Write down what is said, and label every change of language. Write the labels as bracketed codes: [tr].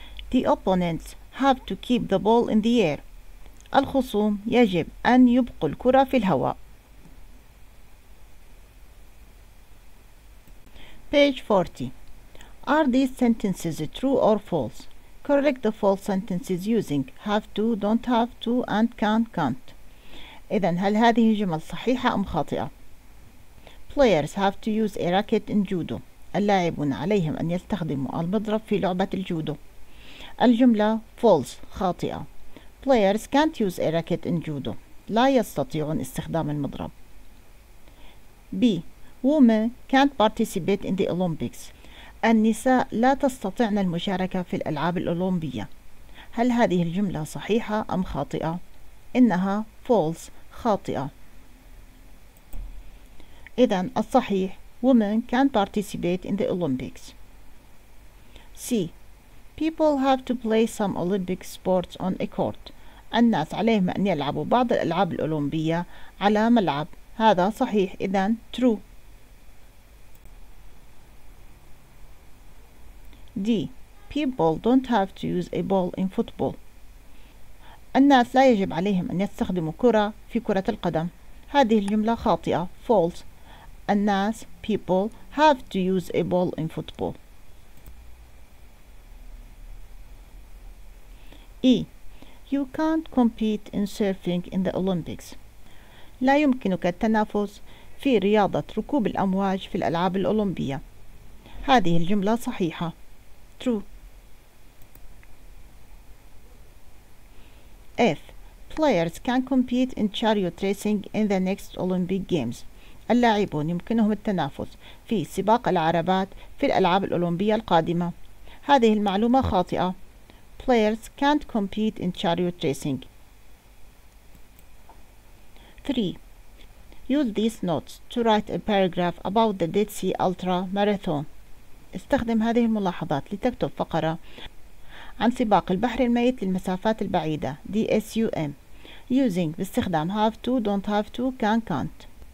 [en] The opponents have to keep the ball in the air. [ar] الخصوم يجب أن يبقوا الكرة في الهواء. [en] Page 40. Are these sentences true or false? Correct the false sentences using have to, don't have to, and can, can't. [ar] إذن هل هذه جمل صحيحة أم خاطئة؟ [en] Players have to use a racket in judo. [ar] اللاعبون عليهم أن يستخدموا المضرب في لعبة الجودو. الجملة false خاطئة. [en] Players can't use a racket in judo. [ar] لا يستطيعون استخدام المضرب. [en] B. Women can't participate in the Olympics. [ar] النساء لا تستطيعن المشاركة في الألعاب الأولمبية. هل هذه الجملة صحيحة أم خاطئة؟ إنها false خاطئة. إذن الصحيح [en] women can't participate in the Olympics. C. People have to play some Olympic sports on a court. [ar] الناس عليهم أن يلعبوا بعض الألعاب الأولمبية على ملعب. هذا صحيح. إذن true. [en] D. People don't have to use a ball in football. [ar] الناس لا يجب عليهم أن يستخدموا كرة في كرة القدم. هذه الجملة خاطئة. False. الناس [en] people have to use a ball in football. E. You can't compete in surfing in the Olympics. [ar] لا يمكنك التنافس في رياضة ركوب الأمواج في الألعاب الأولمبية. هذه الجملة صحيحة. True. [en] F. Players can compete in chariot racing in the next Olympic Games. [ar] اللاعبون يمكنهم التنافس في سباق العربات في الألعاب الأولمبية القادمة. هذه المعلومة خاطئة. [en] Players can't compete in chariot racing. 3. Use these notes to write a paragraph about the Dead Sea Ultra Marathon. [ar] استخدم هذه الملاحظات لتكتب فقرة عن سباق البحر الميت للمسافات البعيدة DSUM using باستخدام have to, don't have to, can, can't.